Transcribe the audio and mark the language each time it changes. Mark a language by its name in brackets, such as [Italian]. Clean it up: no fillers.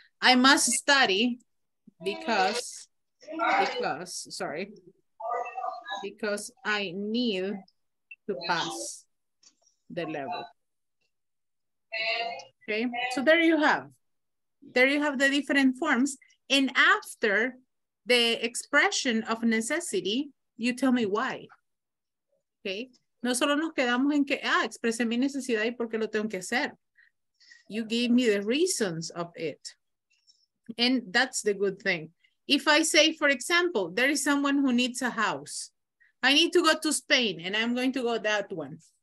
[English] I must study because I need to pass the level. Okay, so there you have. There you have the different forms. And after the expression of necessity, you tell me why. [Spanish] Okay, no solo nos quedamos en que, expresé mi necesidad y por qué lo tengo que hacer. [English] You give me the reasons of it. And that's the good thing. If I say, for example, there is someone who needs a house. I need to go to Spain and I'm going to go that one.